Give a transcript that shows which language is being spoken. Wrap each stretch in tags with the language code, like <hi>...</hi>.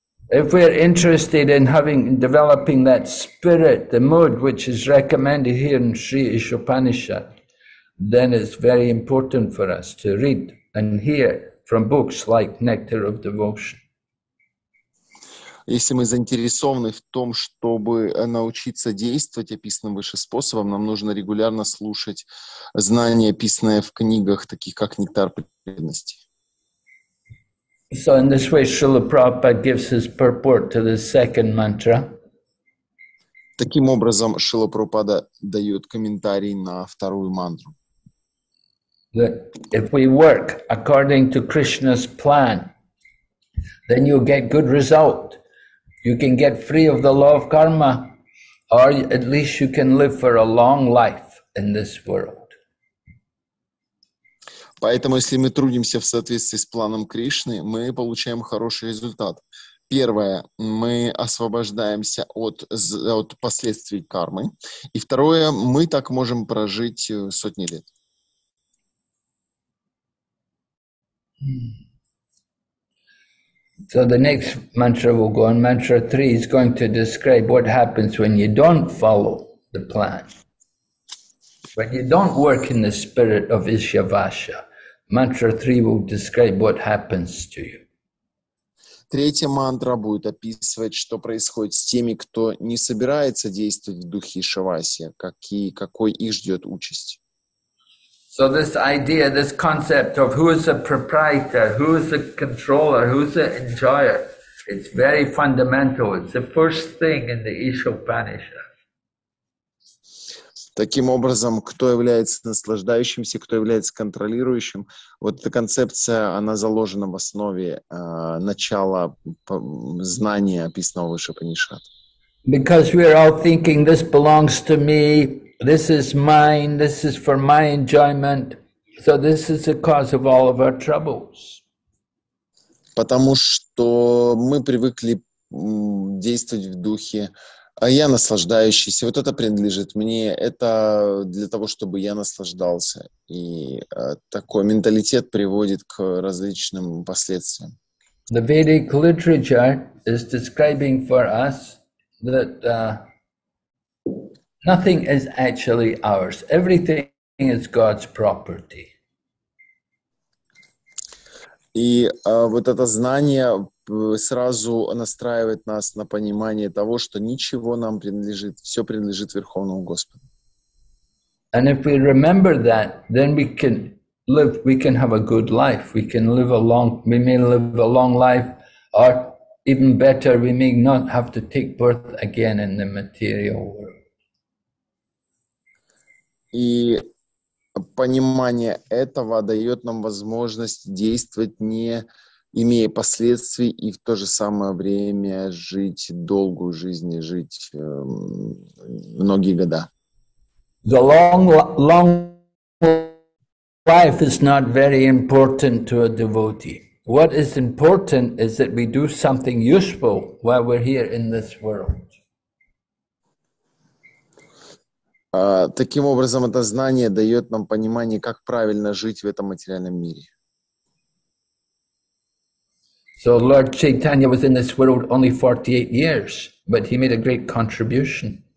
<en>If we're interested in having developing that spirit, the mood which is recommended here in Sri Ishopanishad, then it's very important for us to read and hear from books like Nectar of Devotion.</en> <ru>Если мы заинтересованы в том, чтобы научиться действовать описанным выше способом, нам нужно регулярно слушать знания, описанные в книгах, таких как «Нектар преданности».</ru> <en>So in this way Srila Prabhupada gives his purport to the second mantra.</en> <ru>Таким образом, Шрила Прабхупада дает комментарий на вторую мантру.</ru> <en>That if we work according to Krishna's plan, then you'll get good result. You can get free of the law of karma, or at least you can live for a long life in this world.</en> <ru>Поэтому, если мы трудимся в соответствии с планом Кришны, мы получаем хороший результат. Первое, мы освобождаемся от последствий кармы. И второе, мы так можем прожить сотни лет.</ru> <en>So the next mantra will go on. Mantra 3 is going to describe what happens when you don't follow the plan. When you don't work in the spirit of Ishavasya. Mantra 3 will describe what happens to you.</en> <ru>Третья мантра будет описывать, что происходит с теми, кто не собирается действовать в духе Ишавасия, какой их ждет участь.</ru> <en>So this idea, this concept of who is the proprietor, who is the controller, who is the enjoyer, it's very fundamental. It's the first thing in the Ishopanishad.</en> <ru>Таким образом, кто является наслаждающимся, кто является контролирующим, вот эта концепция, она заложена в основе начала знания, описанного выше Панишат.</ru> <en>Because we are all thinking this belongs to me, this is mine, this is for my enjoyment. So this is the cause of all of our troubles.</en> <ru>Потому что мы привыкли действовать в духе, а я наслаждающийся, вот это принадлежит мне, это для того, чтобы я наслаждался. И такой менталитет приводит к различным последствиям.</ru> <en>The Vedic literature is describing for us that nothing is actually ours. Everything is God's property.</en> <ru>И вот это знание сразу настраивает нас на понимание того, что ничего нам принадлежит, все принадлежит Верховному Господу.</ru> <en>And if we remember that, then we can live, we can have a good life, we can live a long, we may live a long life, or even better, we may not have to take birth again in the material world.</en> <ru>И понимание этого дает нам возможность действовать, не имея последствий, и в то же самое время жить долгую жизнь, жить многие года.</ru> <en>The long life is not very important to a devotee. What is important is that we do something useful while we're here in this world.</en> <ru>Таким образом, это знание дает нам понимание, как правильно жить в этом материальном мире.</ru> <en>So Lord Chaitanya was in this world only 48 years, but he made a great contribution.</en>